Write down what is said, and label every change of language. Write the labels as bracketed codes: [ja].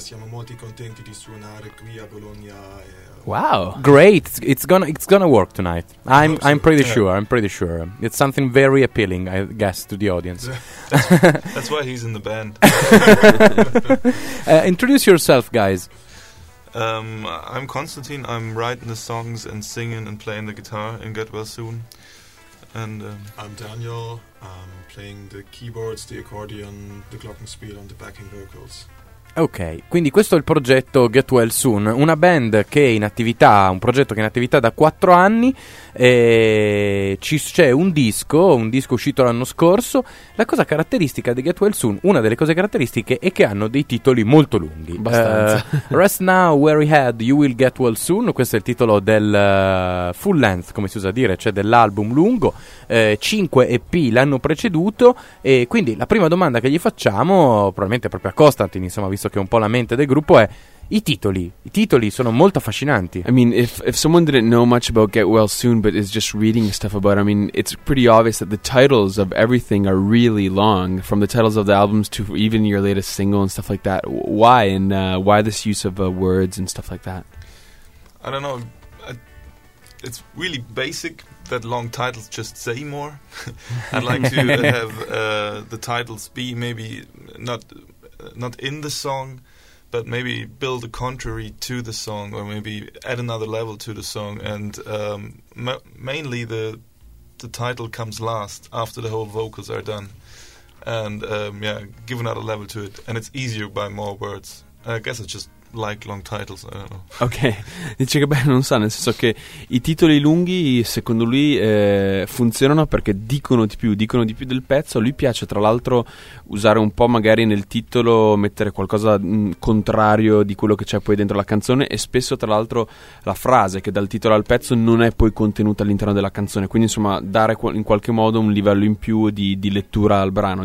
[it] Siamo molto contenti di suonare qui a Bologna. [en] Wow! Great. It's gonna work tonight. I'm pretty sure. It's something very appealing, I guess, to the audience. That's why he's in the band. Introduce yourself, guys. I'm Constantine. I'm writing the songs and singing and playing the guitar in Get Well Soon. And I'm Daniel. I'm playing the keyboards, the accordion, the glockenspiel and the backing vocals. [it] Ok, quindi questo è il progetto Get Well Soon, una band che è in attività, un progetto che è in attività da 4 anni, e c'è un disco uscito l'anno scorso. La cosa caratteristica di Get Well Soon, una delle cose caratteristiche, è che hanno dei titoli molto lunghi. Rest Now, Weary Head, You Will Get Well Soon, questo è il titolo del full length, come si usa dire, cioè dell'album lungo. 5 EP l'hanno preceduto, e quindi la prima domanda che gli facciamo, probabilmente proprio a Constantine, insomma, visto che è un po' la mente del gruppo, è i titoli sono molto affascinanti. [en] I mean, if someone didn't know much about Get Well Soon but is just reading stuff about, I mean, it's pretty obvious that the titles of everything are really long, from the titles of the albums to even your latest single and stuff like that. Why? And why this use of words and stuff like that? I don't know. It's really basic that long titles just say more. I'd like to have the titles be maybe not in the song, but maybe build a contrary to the song, or maybe add another level to the song. And mainly the title comes last after the whole vocals are done, and give another level to it, and it's easier by more words. I guess it's just like long titles, I don't know. [it] Ok, dice che beh, non so, nel senso che i titoli lunghi secondo lui funzionano perché dicono di più del pezzo. Lui piace tra l'altro usare un po' magari nel titolo, mettere qualcosa contrario di quello che c'è poi dentro la canzone, e spesso tra l'altro la frase che dà il titolo al pezzo non è poi contenuta all'interno della canzone, quindi insomma dare in qualche modo un livello in più di lettura al brano.